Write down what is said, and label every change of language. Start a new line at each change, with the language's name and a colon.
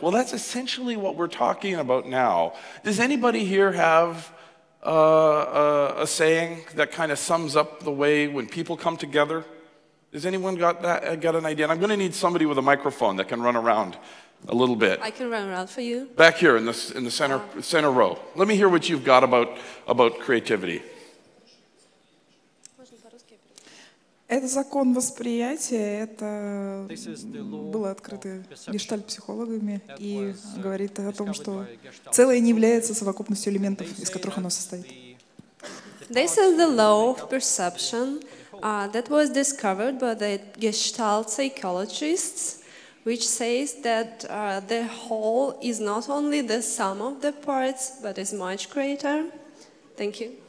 English: Well, that's essentially what we're talking about now. Does anybody here have a saying that kind of sums up the way when people come together? Has anyone got an idea? And I'm going to need somebody with a microphone that can run around a little bit. I can run around for you. Back here in the center row. Let me hear what you've got about creativity.
Russian: Это закон восприятия. Это было открыто гештальт-психологами и говорит о том, что целое не является совокупностью элементов, из которых оно состоит.
English: This is the law of perception that was discovered by the gestalt psychologists, which says that the whole is not only the sum of the parts, but is much greater. Thank you.